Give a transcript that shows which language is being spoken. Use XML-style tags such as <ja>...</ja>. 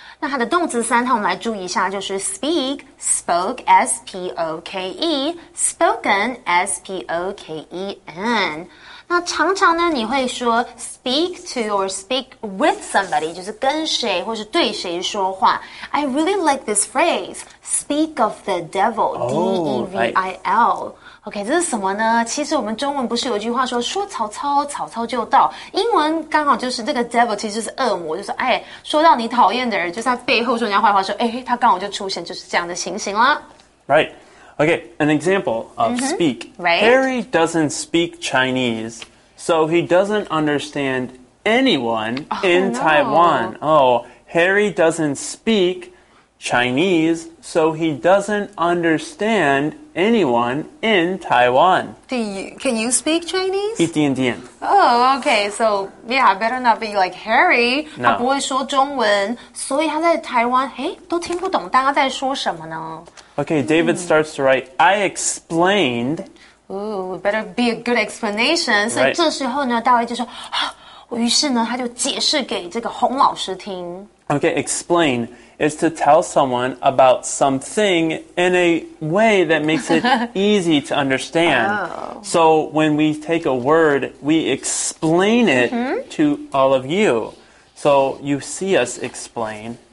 <zh>那它的动词三通来注意一下就是</zh> <en>speak, spoke, S-P-O-K-E, spoken, S-P-O-K-E-N.</en> <zh>那常常呢你会说</zh> <en>speak to or speak with somebody,</en> <zh>就是跟谁或是对谁说话。</zh> <en>I really like this phrase, speak of the devil,、 oh, D-E-V-I-L.、 Right. Okay,</en> <zh>这是什么呢其实我们中文不是有句话说说曹操曹操就到。英文刚好就是这个 devil 其实是恶魔就是哎说到你讨厌的人就是他背后说人家坏话说哎他刚好就出现就是这样的情形啦。</zh> <en>Right. Okay, an example of speak. Right? Harry doesn't speak Chinese, so he doesn't understand anyone in Taiwan. Oh, Harry doesn't speak Chinese, so he doesn't understand anyone in Taiwan. Can you speak Chinese? Indian, Indian. Oh, okay. So, yeah, better not be like Harry. No.</en> <zh>他不会说中文，所以他在台湾，诶，都听不懂大家在说什么呢？</zh> <en>Okay, David starts to write, I explained. Ooh, better be a good explanation. So, right.</en> <zh>这时候呢大卫就说、啊、于是呢，他就解释给这个洪老师听。</zh> <en>Okay, explain is to tell someone about something in a way that makes it easy to understand. Oh. So when we take a word, we explain it、mm-hmm. to all of you. So you see us explain.</en>